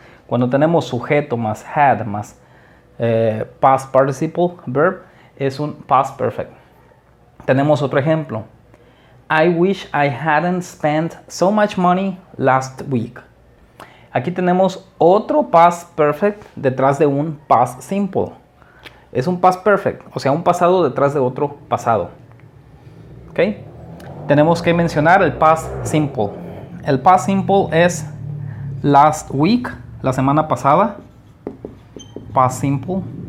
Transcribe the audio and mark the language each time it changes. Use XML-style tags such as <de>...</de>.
<es>Cuando tenemos sujeto más had más past participle verb, es un past perfect. Tenemos otro ejemplo.</es> <en>I wish I hadn't spent so much money last week.</en> <es>Aquí tenemos otro past perfect detrás de un past simple. Es un past perfect, o sea, un pasado detrás de otro pasado. ¿Ok? Tenemos que mencionar el past simple. El past simple es last week, la semana pasada. Past simple.</es>